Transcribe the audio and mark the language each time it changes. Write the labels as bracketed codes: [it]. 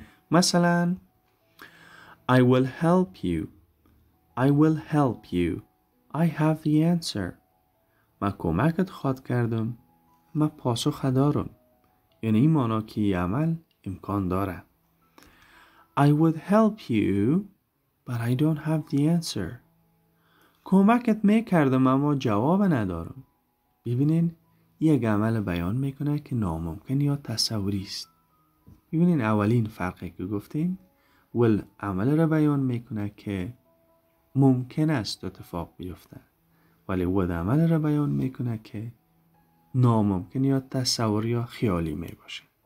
[fa] مثلا [en] I will help you. I will help you. I have the answer. [fa] ما کمکت خواد کردم. ما پاسخ دارم. یعنی این معنا که عمل امکان داره. [en] I would help you, but I don't have the answer. [fa] کمکت میکردم اما جواب ندارم. ببینین یک عمل بیان میکنه که ناممکن یا تصوری است. ببینین اولین فرقی که گفتیم، ول عمل را بیان میکنه که ممکن است اتفاق بیفته، ولی ود عمل را بیان میکنه که ناممکن یا تصور یا خیالی میباشه.